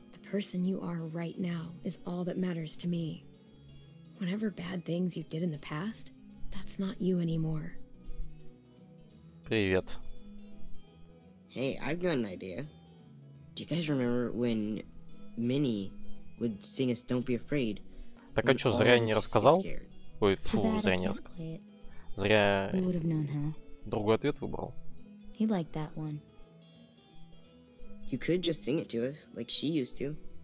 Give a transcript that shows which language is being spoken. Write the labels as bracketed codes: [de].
[en] Person you are right now is all that matters to me. Whatever bad things you did in the past, that's not you anymore. [ru] Привет. [en] Hey, I've got an idea. Do you guys remember when Minnie would sing us Don't Be Afraid? [ru] Так а чё, зря не рассказал? Ой, фу, зря не рассказал. Зря другой ответ выбрал. [en] He'd like that one. You could just sing it to us, like she used to.